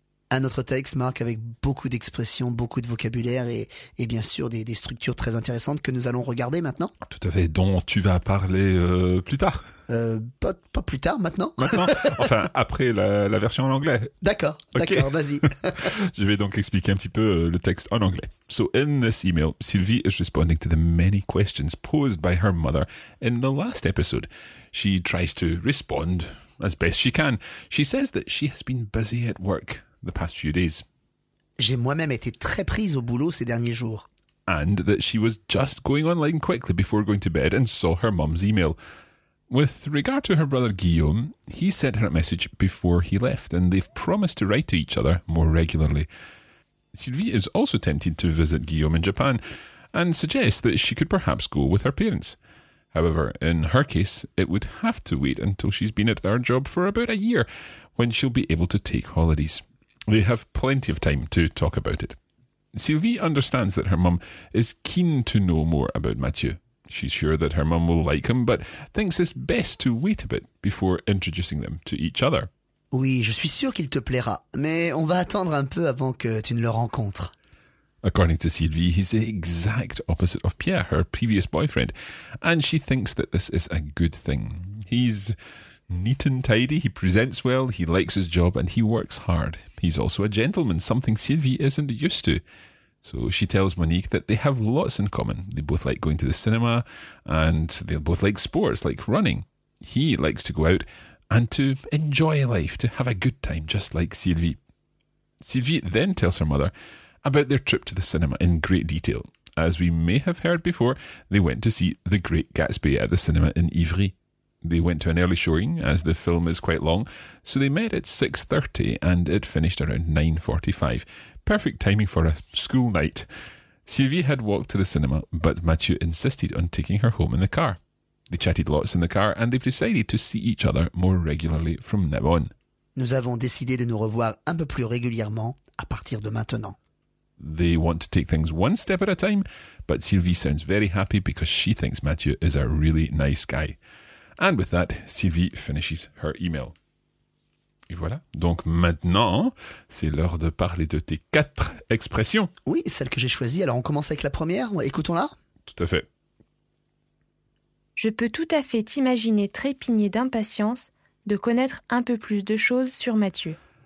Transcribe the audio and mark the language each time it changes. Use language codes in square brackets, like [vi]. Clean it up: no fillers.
[fr] Un autre texte, Marc, avec beaucoup d'expressions, beaucoup de vocabulaire et bien sûr des structures très intéressantes que nous allons regarder maintenant. Tout à fait, dont tu vas parler plus tard. Pas plus tard, maintenant. Maintenant, enfin, après la version en anglais. D'accord, okay. D'accord, vas-y. Je vais donc expliquer un petit peu le texte en anglais. [en] So in this email, Sylvie is responding to the many questions posed by her mother in the last episode. She tries to respond as best she can. She says that she has been busy at work the past few days. [fr] J'ai moi-même été très prise au boulot ces derniers jours. [en] And that she was just going online quickly before going to bed and saw her mum's email. With regard to her brother Guillaume, he sent her a message before he left and they've promised to write to each other more regularly. Sylvie is also tempted to visit Guillaume in Japan and suggests that she could perhaps go with her parents. However, in her case, it would have to wait until she's been at her job for about a year when she'll be able to take holidays. They have plenty of time to talk about it. Sylvie understands that her mum is keen to know more about Mathieu. She's sure that her mum will like him, but thinks it's best to wait a bit before introducing them to each other. [fr] Oui, je suis sûr qu'il te plaira, mais on va attendre un peu avant que tu ne le rencontres. [en] According to Sylvie, he's the exact opposite of Pierre, her previous boyfriend, and she thinks that this is a good thing. He's neat and tidy, he presents well, he likes his job and he works hard. He's also a gentleman, something Sylvie isn't used to. So she tells Monique that they have lots in common. They both like going to the cinema and they both like sports like running. He likes to go out and to enjoy life, to have a good time just like Sylvie. Sylvie then tells her mother about their trip to the cinema in great detail. As we may have heard before, they went to see The Great Gatsby at the cinema in Ivry. They went to an early showing as the film is quite long, so they met at 6:30 and it finished around 9:45. Perfect timing for a school night. Sylvie had walked to the cinema, but Mathieu insisted on taking her home in the car. They chatted lots in the car and they've decided to see each other more regularly from now on. Nous avons décidé de nous revoir un peu plus régulièrement à partir de maintenant. They want to take things one step at a time, but Sylvie sounds very happy because she thinks Mathieu is a really nice guy. And with that, Sylvie finishes her email. [fr] Et voilà. Donc maintenant, c'est l'heure de parler de tes quatre expressions. Oui, celle que j'ai choisie. Alors on commence avec la première. Écoutons-la. Tout à fait. Je peux tout à fait t'imaginer trépigner d'impatience de connaître un peu plus de choses sur Mathieu.